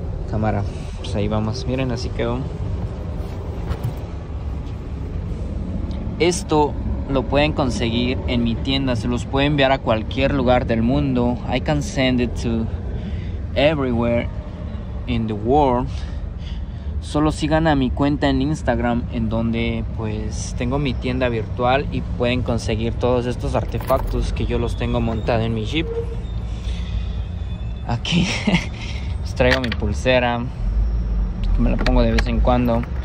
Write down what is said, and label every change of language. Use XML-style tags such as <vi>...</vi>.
<es>Cámara, pues ahí vamos. Miren, así quedó. Esto lo pueden conseguir en mi tienda. Se los puede enviar a cualquier lugar del mundo.</es> <en>I can send it to everywhere in the world.</en> <es>Solo sigan a mi cuenta en Instagram, en donde pues tengo mi tienda virtual y pueden conseguir todos estos artefactos que yo los tengo montado en mi Jeep. Aquí os traigo mi pulsera, que me la pongo de vez en cuando.</es>